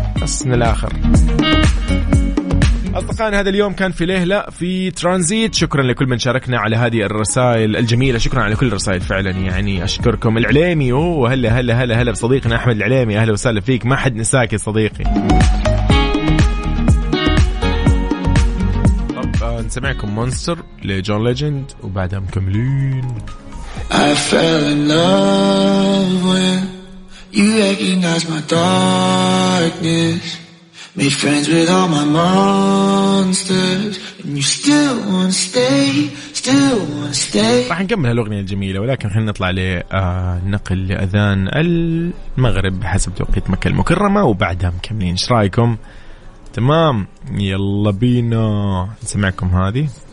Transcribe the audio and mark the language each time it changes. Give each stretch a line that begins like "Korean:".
Arabic: بس من الاخر أصدقائنا هذا اليوم كان في ليه لا في ترانزيت, شكرا لكل من شاركنا على هذه الرسائل الجميلة, شكرا على كل الرسائل فعلا, يعني أشكركم. العليمي وهلا هلا هلا هلا بصديقنا أحمد العليمي, أهلا وسهلا فيك, ما حد نساك يا صديقي. طب نسمعكم مونستر لجون ليجند وبعدها مكملين.
English: I fell in love when you recognized my darkness. Made friends with all my monsters, and you still wanna stay, still wanna stay.
Arabic: راح نكمل هالأغنية الجميلة, ولكن خلينا نطلع لنقل لأذان المغرب حسب توقيت مكة المكرمة, وبعدها مكملين. إيش رأيكم؟ تمام, يلا بينا نسمعكم هذه.